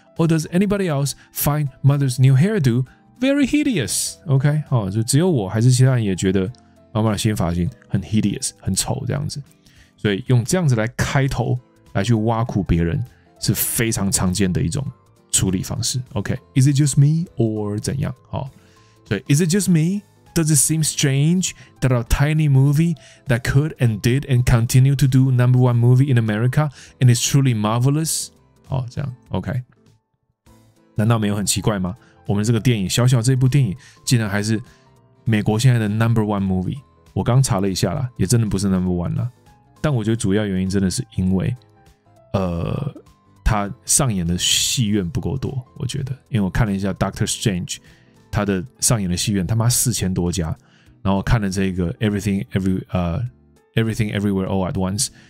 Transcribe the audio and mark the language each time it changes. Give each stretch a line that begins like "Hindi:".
English: Or does anybody else find mother's new hairdo very hideous？
Chinese: OK， 好，就只有我，还是其他人也觉得妈妈的新发型很 hideous， 很丑这样子。所以用这样子来开头，来去挖苦别人。是非常常见的一种处理方式。
English: OK， Is it just me or 怎样？好，所以 Is it just me? Does it seem strange that a tiny movie that could and did and continue to do number one movie in America and is truly marvelous?
Chinese: 好，这样 OK， 难道没有很奇怪吗？我们这个电影小小这部电影，竟然还是美国现在的 number one movie。我刚查了一下啦，也真的不是 number one 啦，但我觉得主要原因真的是因为，他上演的戏院不够多，我觉得，因为我看了一下 Doctor Strange， 他的上演的戏院他妈4000多家，然后看了这个 Everything Everywhere All at Once，